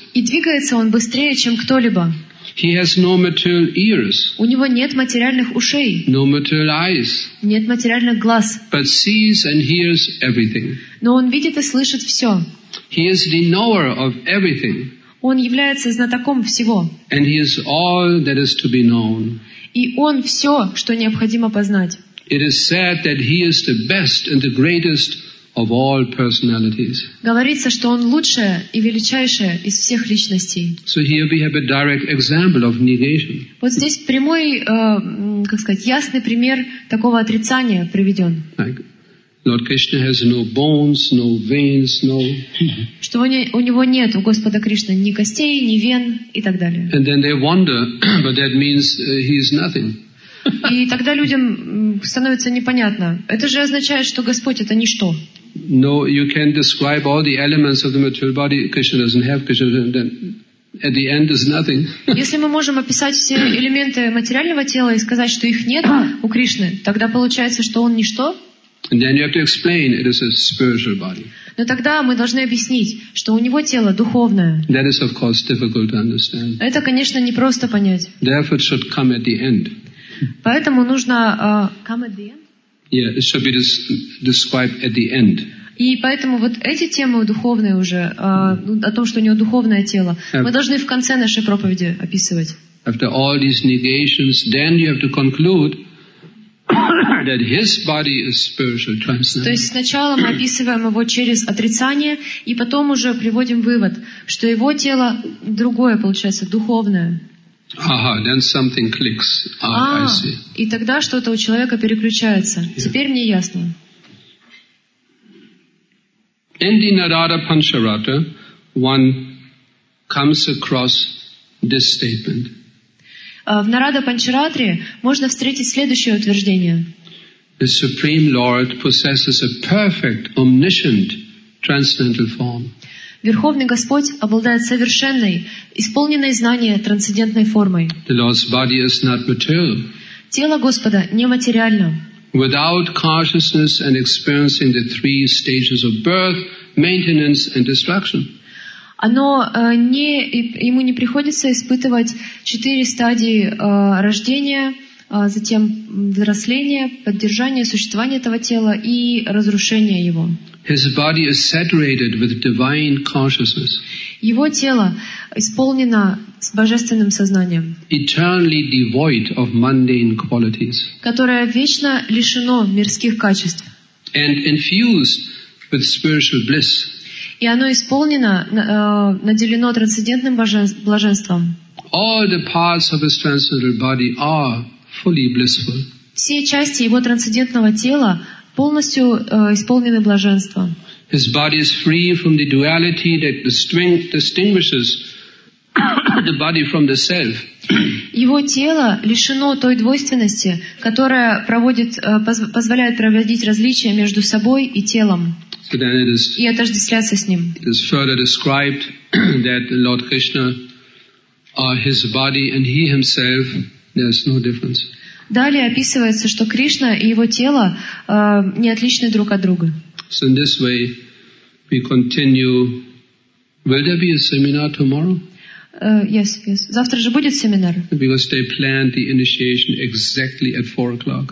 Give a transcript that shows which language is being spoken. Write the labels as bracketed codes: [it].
[ru] И двигается он быстрее, чем кто-либо. [en] He has no material ears. [ru] У него нет материальных ушей. [en] No material eyes. [ru] Нет материальных глаз. [en] But sees and hears everything. [ru] Но он видит и слышит все. [en] He is the knower of everything. [ru] Он является знатоком всего. [en] And he is all that is to be known. [ru] И он все, что необходимо познать. [en] It is said that he is the best and the greatest of all personalities. [ru] Говорится, что он лучшее и величайшее из всех личностей. [en] So here we have a direct example of negation. [ru] Вот здесь прямой, как сказать, ясный пример такого отрицания приведен. [en] Like Lord Krishna has no bones, no veins, no. [ru] Что у него нет у Господа Кришны ни костей, ни вен и так далее. [en] And then they wonder, but that means he is nothing. [ru] И тогда людям становится непонятно. Это же означает, что Господь — это ничто. [en] No, you can describe all the elements of the material body. Krishna doesn't have Krishna. Then at the end is nothing. [ru] Если мы можем описать все элементы материального тела и сказать, что их нет у Кришны, тогда получается, что он ничто? [en] And then you have to explain it is a spiritual body. [ru] Но тогда мы должны объяснить, что у него тело духовное. [en] That is of course difficult to understand. [ru] Это, конечно, не просто понять. [en] Therefore, it should come at the end. [ru] Поэтому нужно [en] come at the end. Yeah, it should be described at the end. [ru] И поэтому вот эти темы духовные уже, о том, что у него духовное тело, мы должны в конце нашей проповеди описывать. [en] After all these negations, then you have to conclude that his body is spiritual transcendent. [ru] То есть сначала мы описываем его через отрицание, и потом уже приводим вывод, что его тело другое получается, духовное. [en] Aha, then something clicks. Ah, I see. [ru] И тогда что-то у человека переключается. Yeah. Теперь мне ясно. [en] In the Narada Pancharata, one comes across this statement. [ru] В Нарада Панчаратре можно встретить следующее утверждение. [en] The Supreme Lord possesses a perfect, omniscient, transcendental form. [ru] Верховный Господь обладает совершенной, исполненной знания трансцендентной формой. [en] The Lord's body is not material. [ru] Тело Господа нематериально. [en] Without consciousness and experiencing the three stages of birth, maintenance and destruction. [ru] Оно не, ему не приходится испытывать четыре стадии рождения, затем взросления, поддержания, существования этого тела и разрушения его. [en] His body is saturated with divine consciousness. [ru] Его тело исполнено с божественным сознанием. [en] Eternally devoid of mundane qualities. [ru] Которое вечно лишено мирских качеств. [en] And infused with spiritual bliss. [ru] И оно исполнено, наделено трансцендентным блаженством. [en] All the parts of his transcendental body are fully blissful. [ru] Все части его трансцендентного тела полностью исполнены блаженством. [en] His body is free from the duality that distinguishes the body from the self. [ru] Его тело лишено той двойственности, которая позволяет проводить различия между собой и телом. [en] So then it is, [ru] и отождествляться с ним. [en] It is further described that Lord Krishna are his body and he himself, there is no difference. [ru] Далее описывается, что Кришна и его тело не отличны друг от друга. [en] So in this way we continue. Will there be a seminar tomorrow? Yes. [ru] Завтра же будет семинар. [en] Because they planned the initiation exactly at 4:00.